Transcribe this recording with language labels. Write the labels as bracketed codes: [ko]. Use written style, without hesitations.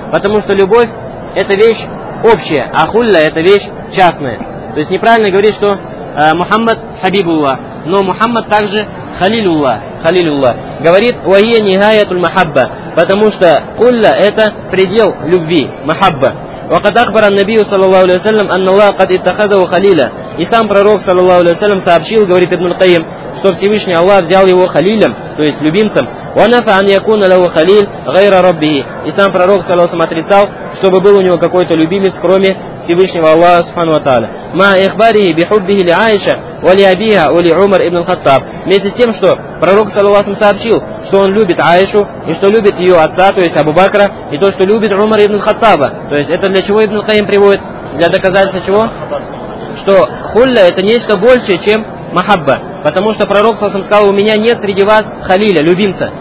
[ru] Потому что любовь это вещь общая, а хулла это вещь частная. То есть неправильно говорить, что Мухаммад Хабибуллах, но Мухаммад также Халилуллах. Халилуллах. Говорит, [ar] وَهِيَ نِهَايَةُ الْمَحَبَّ, [ru] потому что хулла это предел любви, махабба. [ar] وقد أخبر النبي صلى الله عليه وسلم أن الله قد اتخذه خليلا. [ru] И сам пророк صلى الله عليه وسلم сообщил, говорит Ибн Каим, что Всевышний Аллах взял его халилем, то есть любимцем. [ar] ونفى أن يكون له خليل غير ربه. [ru] И сам пророк صلى الله عليه وسلم отрицал, чтобы был у него какой-то любимец, кроме Всевышнего Аллаха سبحانه وتعالى. [ar] ما إخباره بحبه لعائشة ولأبيها ولعمر ابن الخطاب. [ru] Вместе с тем, что пророк صلى الله عليه وسلم сообщил, что он любит Аишу и что любит ее отца, то есть Абу Бакра, и то, что любит Умара ибн Хаттаба. То есть это для чего Ибн Каим приводит? Для доказательства чего? Что хулля это нечто большее, чем махабба. Потому что пророк Саусам сказал, у меня нет среди вас халиля, любимца.